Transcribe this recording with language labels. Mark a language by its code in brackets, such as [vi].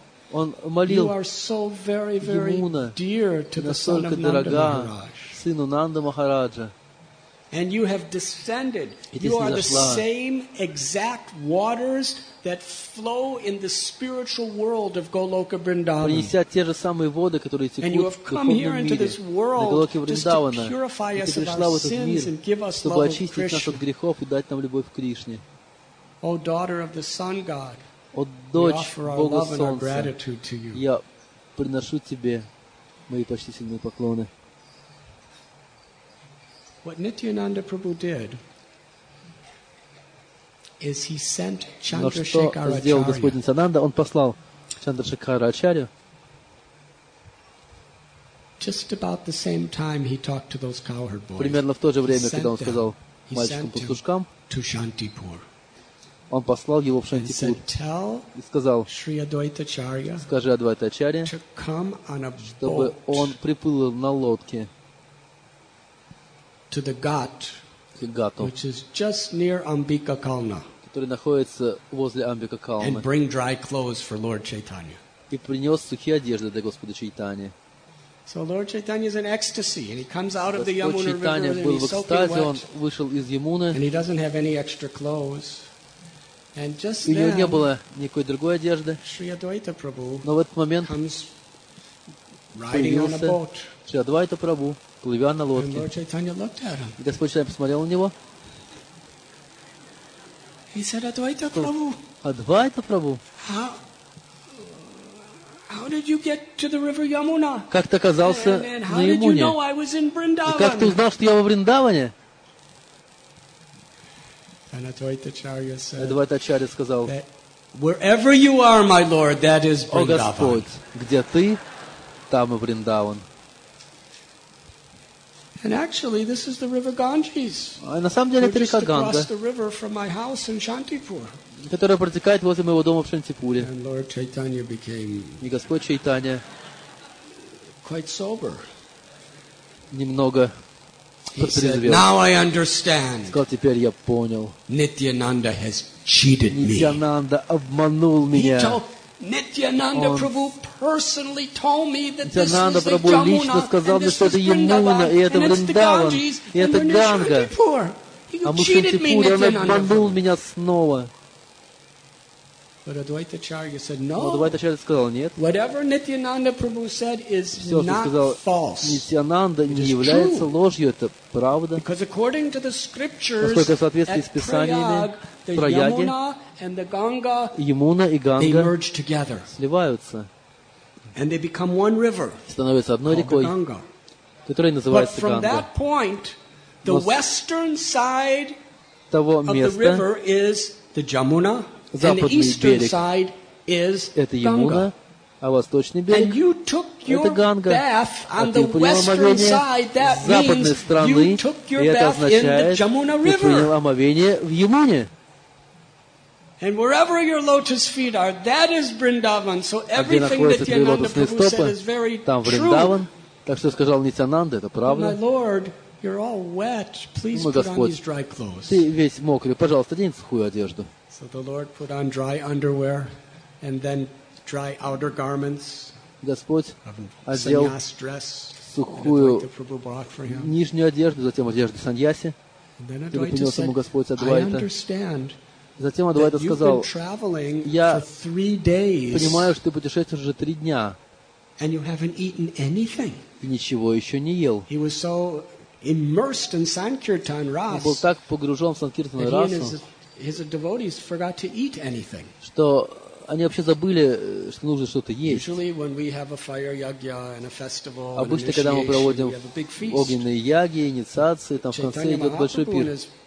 [ru] Он молил Ямуна, настолько дорога сыну Нанда Махараджа. [en] And you have descended. You are the same exact waters that flow in the spiritual world of Goloka Vrindavan. And you have come here into this world just to purify us of our sins and give us love of Krishna. Oh, daughter of the sun god, we offer our love and our gratitude to you. [ru] Я приношу тебе мои почтительные поклоны. [en] What Nityananda Prabhu did is he sent Chandrasekhar Acharya. Just about the same time he talked to those cowherd boys. [ru] Примерно в то же время, когда он сказал мальчикам пастушкам. [en] To Shantipur. [ru] Он послал его в Шантипур. [en] Tell Shri Advaita Acharya. [ru] Скажи Адвайта Ачарья. [en] To come on a boat. [ru] Чтобы он приплыл на лодке. [en] To the Ghat, which is just near Ambika Kalna, [ru] который находится возле Амбика Калны, [en] and bring dry clothes for Lord Chaitanya. [ru] И принес сухие одежды для Господа Чайтани. [en] So Lord Chaitanya is in ecstasy, and he comes out of the Yamuna River, and he's soaking wet. [ru] Господь Чайтани был в экстазе, он вышел из Ямуны. [en] And he doesn't have any extra clothes. And just then, [ru] у него не было никакой другой одежды. [en] Shri Advaita Prabhu, [ru] но в этот момент, [en] comes riding on a boat. [ru] Shri Advaita Prabhu. Плывя на лодке. [en] And Lord Chaitanya looked at him. [ru] Господь Чайтанья посмотрел на него. [en] He said, Advaita Prabhu. [ru] Advaita Prabhu. [en] How did you get to the river Yamuna? [ru] Как ты оказался на Ямуне? [en] How did you know I was in Vrindavan? [ru] Как ты узнал, что я во Вриндаване? [en] And Advaita Acharya said. [ru] Advaita Acharya сказал. [en] Wherever you are, my Lord, that is Vrindavan. [ru] О Господь, где ты, там и Вриндаван. [en] And actually, this is the river Ganges. [ru] На самом деле, это река Ганга. [en] Across the river from my house in Shantipur. [ru] Которая протекает возле моего дома в Шантипуре. [en] And Lord Chaitanya became. [ru] И Господь Чайтанья. [en] Quite sober. [ru] Немного. [en] He said, "Now I understand." [ru] Сказал, теперь я понял. [en] Nityananda has cheated me. [ru] Nityananda обманул меня. [en] Nityananda Prabhu personally told me that this Nityananda is the Yamuna, [ru] лично сказал мне, что это Ямуна, и это Вриндаван, и это Ганга. А Мушантипур, он обманул меня снова. [en] But Advaita Acharya said, no. [ru] Advaita Acharya сказал, нет. [en] Whatever Nityananda Prabhu said is not false. [ru] Nityananda не является ложью, это правда. [en] Because according to the scriptures, at Prayag, the Yamuna and the Ganga, [ru] Ямуна и Ганга, [en] they merge together. [ru] Сливаются. [en] And they become one river. [ru] Становятся одной рекой, [en] Ganga. [ru] Которая называется Ганга. [en] But from that point, the western side [ru] того места, [en] of the river is the Yamuna. And the eastern side is Ganga. [ru] А восточный берег? [en] And you took your bath on the western side. That means you took your bath in the Yamuna River. [ru] Ты принял омовение в Ямуне. [en] And wherever your lotus feet are, that is Vrindavan. So everything that Nityananda Prabhu said is very true. [ru] Там Вриндаван. Так что сказал Нитянанда, это правда. [en] My Lord, you're all wet. Please put on these dry clothes. [ru] Ты весь мокрый. Пожалуйста, одень сухую одежду. [en] So the Lord put on dry underwear and then dry outer garments. [ru] Господь одел сухую нижнюю одежду, затем одежду саньяси. И принес ему Господь Адвайта. Затем Адвайта сказал, я понимаю, что ты путешествуешь уже 3 дня. [en] And you haven't eaten anything. [ru] Ничего еще не ел. [en] He was so immersed in Sankirtan Ras. [ru] Он был так погружен в Санкиртан Расу. [en] His devotees forgot to eat anything. [ru] Что они вообще забыли, что нужно что-то есть. [en] Usually, when we have a fire yagya and a festival, [ru] обычно когда мы проводим огненные яги, инициации, там в конце идет большой пир.